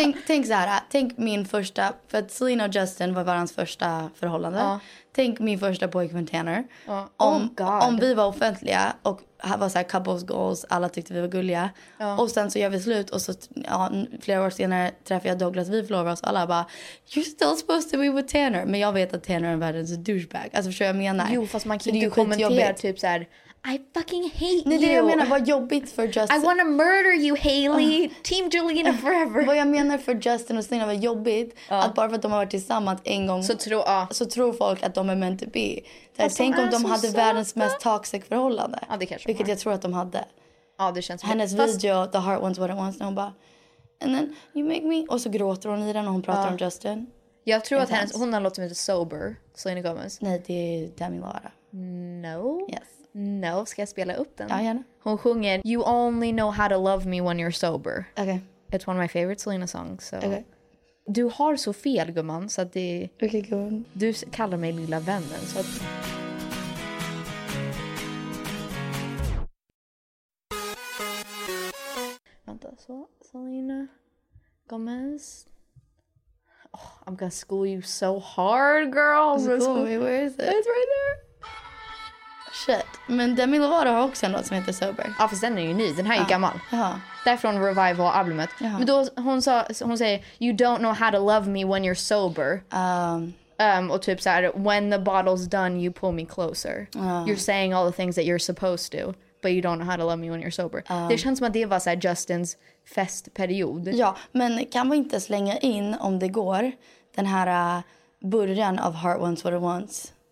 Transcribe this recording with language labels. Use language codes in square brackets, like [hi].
[sv] tänk så här, tänk min första, för att Selena och Justin var varans första förhållande. Ja. Tänk min första pojkvän Tanner. Ja. Om vi var offentliga och var så här [en] couples goals, [sv] alla tyckte vi var gulliga. Ja. Och sen så gör vi slut och så ja, flera år senare träffar jag Douglas, vi förlorar oss. Alla bara, [en] you're still supposed to be with Tanner. [sv] Men jag vet att Tanner är världens douchebag. Alltså förstår jag menar. Jo, fast man kan inte kommentera typ så här. [en] I fucking hate you. [sv] Nej, det jag menar, vad jobbigt för Justin. [en] I wanna murder you, Hailey. Team Jelena forever. [sv] Vad jag menar för Justin och Selena, vad jobbigt. Att bara för att de har varit tillsammans en gång. Så tror folk att de är [en] meant to be. [sv] Tänk om de hade världens mest toxic förhållande. Ja, det kanske vilket jag tror att de hade. Ja, det känns hennes video, The Heart Wants What It Wants. Och hon bara, [en] and then you make me. [sv] Och så gråter hon i den när hon pratar om Justin. Jag tror att hon har låtit mig lite sober, Selena Gomez. Nej, det är Demi Lovato. [en] No. Yes. [sv] No, ska jag spela upp den? Ja, gärna. Hon sjunger [en] You only know how to love me when you're sober. Okay. It's one of my favorite Selena songs. So. Okay. [sv] Du har så fel, gumman. Så att det... okay, gumman. Du kallar mig lilla vännen. Så att... vänta, så. Selena Gomez. [en] Oh, I'm gonna school you so hard, girl. School me, where is it? It's right there. Shit. [sv] Men Demi Lovato har också en låt som heter Sober. Ja, fast den är ju ny. Den här är gammal. Uh-huh. Det är från Revival-albumet. Uh-huh. Men då hon säger [en] You don't know how to love me when you're sober. [sv] Och typ så här, [en] when the bottle's done, you pull me closer. You're saying all the things that you're supposed to, but you don't know how to love me when you're sober. [sv] Det känns som att det var så här, Justins festperiod. Ja, men kan vi inte slänga in, om det går, den här början av Heart Wants What It Wants.